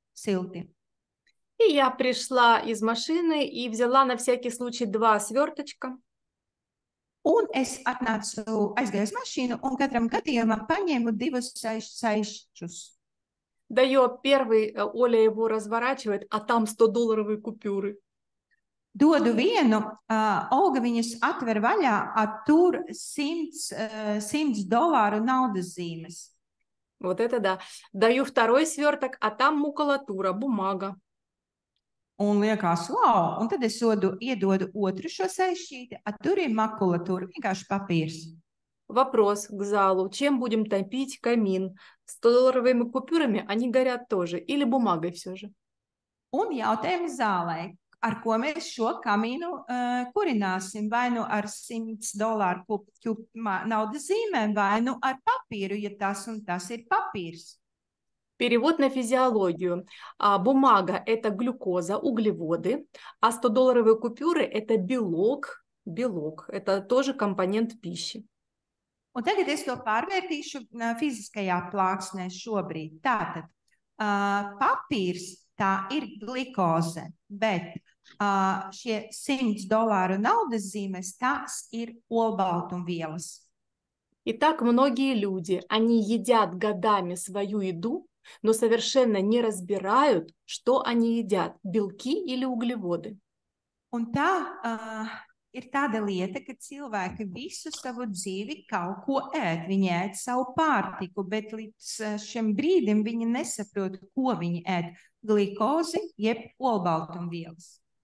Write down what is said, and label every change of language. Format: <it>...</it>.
<lv>silti.</lv> <ru>И я пришла из машины и взяла на всякий случай два свёрточка.</ru> <lv>Un es atnācu, aizgāju uz mašīnu un katram gadījumā paņēmu divus saišķus.</lv> <ru>Даю первый, Оля его разворачивает, а там 100-долларовые купюры.</ru> <lv>Dodu vienu, Olga viņus atver vaļā, a tur 100 dolāru naudas zīmes.</lv> <ru>Вот это да. Даю второй сверток, а там макулатура, бумага.</ru> <lv>Un liekas, wow, un tad es iedodu otru šo saišķīti, a tur ir makulatūra, vienkārši papīrs.</lv> <ru>Вопрос к залу. Чем будем топить камин? 100-долларовыми купюрами они горят тоже? Или бумагой все же?</ru> <lv>Un jautājums zālē. Ar ko mēs šo kamīnu kurināsim? Vai nu ar 100 dolāru naudas zīmēm, vai nu ar papīru, ja tas un tas ir papīrs?</lv> <ru>Перевод на физиологию. Бумага – это глюкоза, углеводы, а 100-долларовые купюры – это белок. Белок – это тоже компонент пищи.</ru> <lv>Un tagad es to pārvērtīšu fiziskajā plāksnē šobrīd. Tātad, papīrs – tā ir glikoze, bet šie 100 dolāru naudas zīmes – tās ir olbaltumvielas.</lv> <ru>Итак, многие люди, они едят годами свою еду, но совершенно не разбирают, что они едят – белки или углеводы.</ru> <lv>Un tā ir tāda lieta, ka cilvēki visu savu dzīvi kaut ko ēd. Viņi ēd savu pārtiku, bet līdz šim brīdim viņi nesaprot, ko viņi ēd – glikozi jeb olbaltumvielas.</lv>